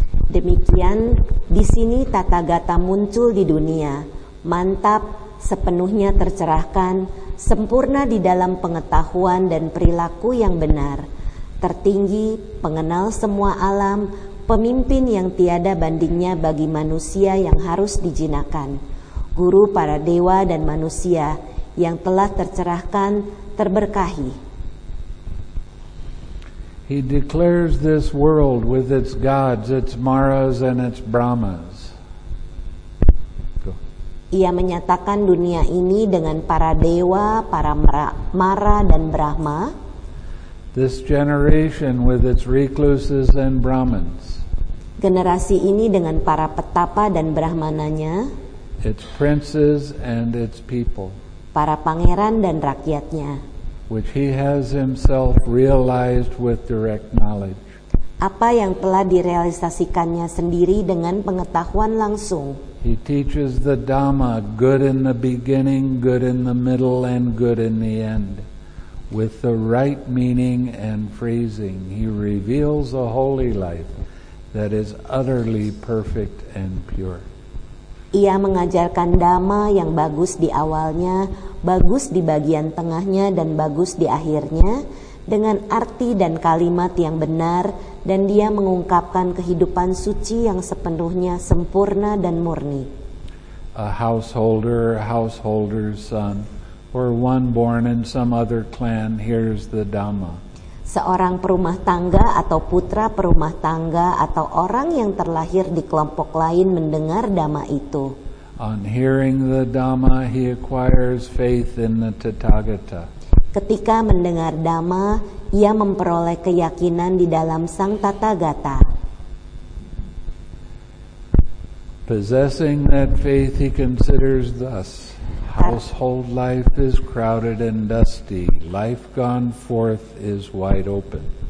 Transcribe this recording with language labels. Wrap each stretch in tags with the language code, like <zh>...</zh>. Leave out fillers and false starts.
<id>Demikian, di sini Tathagata muncul di dunia, mantap, sepenuhnya tercerahkan, sempurna di dalam pengetahuan dan perilaku yang benar, tertinggi, pengenal semua alam, pemimpin yang tiada bandingnya bagi manusia yang harus dijinakan, guru para dewa dan manusia yang telah tercerahkan, terberkahi.</id> <en>He declares this world with its gods, its maras, and its brahmas.</en> <id>Ia menyatakan dunia ini dengan para dewa, para mara dan brahma.</id> <en>This generation with its recluses and brahmins.</en> <id>Generasi ini dengan para petapa dan brahmananya.</id> <en>Its princes and its people.</en> <id>Para pangeran dan rakyatnya.</id> <en>Which he has himself realized with direct knowledge.</en> <id>Apa yang telah direalisasikannya sendiri dengan pengetahuan langsung.</id> <en>He teaches the Dhamma, good in the beginning, good in the middle, and good in the end. With the right meaning and phrasing, he reveals a holy life that is utterly perfect and pure.</en> <id>Ia mengajarkan Dhamma yang bagus di awalnya, bagus di bagian tengahnya, dan bagus di akhirnya, dengan arti dan kalimat yang benar, dan dia mengungkapkan kehidupan suci yang sepenuhnya sempurna dan murni.</id> <en>A householder, a householder's son, or one born in some other clan hears the Dhamma.</en> <id>Seorang perumah tangga atau putra perumah tangga atau orang yang terlahir di kelompok lain mendengar Dhamma itu.</id> <en>On hearing the Dhamma, he acquires faith in the Tathagata.</en> <id>Ketika mendengar Dhamma, ia memperoleh keyakinan di dalam Sang Tathagata.</id> <en>Possessing that faith, he considers thus: household life is crowded and dusty, life gone forth is wide open.</en>